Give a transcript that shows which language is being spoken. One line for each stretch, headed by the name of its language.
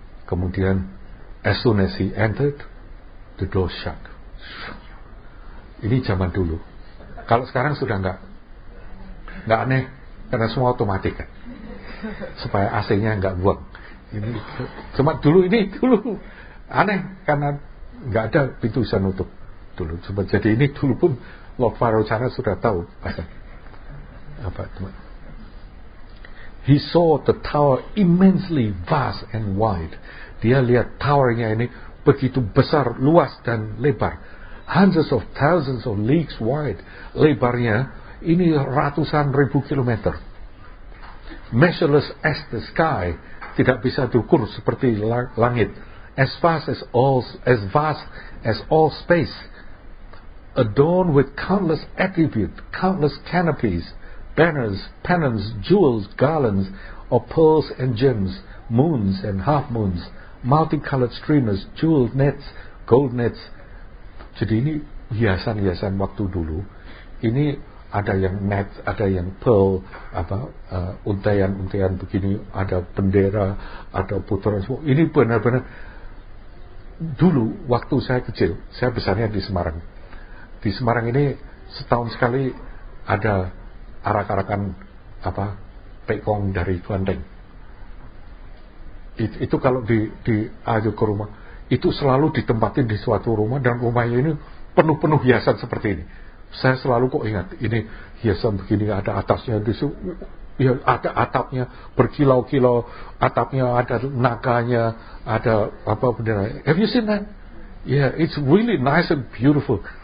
Indonesian: Kemudian
English: as soon as he entered, the door shut.
Indonesian: Ini zaman dulu. Kalau sekarang sudah enggak aneh, karena semua otomatis kan, supaya AC-nya enggak buang. Ini cuma dulu aneh karena enggak ada pintu bisa nutup. Dulu cuma, jadi ini dulu pun Lord Vairocana sudah tahu apa itu.
English: He saw the tower immensely vast and wide.
Indonesian: Dia lihat towernya ini begitu besar, luas dan lebar.
English: Hundreds of thousands of leagues wide.
Indonesian: Lebarnya ini ratusan ribu kilometer.
English: Measureless as the sky,
Indonesian: tidak bisa diukur seperti langit.
English: As vast as all space. Adorned with countless attributes, countless canopies, banners, pennants, jewels, garlands of pearls and gems, moons and half moons, multicolored streamers, jeweled nets, gold nets.
Indonesian: Jadi ini hiasan-hiasan waktu dulu. Ini ada yang net, ada yang pearl, apa untaian-untaian begini, ada bendera, ada putaran semua. Ini benar-benar dulu waktu saya kecil, saya besarnya di Semarang. Di Semarang ini setahun sekali ada arak-arakan apa pekong dari Klenteng. Itu kalau di ajak ke rumah, itu selalu ditempatin di suatu rumah, dan rumahnya ini penuh-penuh hiasan seperti ini. Saya selalu kok ingat ini hiasan begini, ada atasnya di situ, ya ada atapnya berkilau-kilau, atapnya ada naganya, ada apa bendera.
English: Have you seen that? Yeah, it's really nice and beautiful.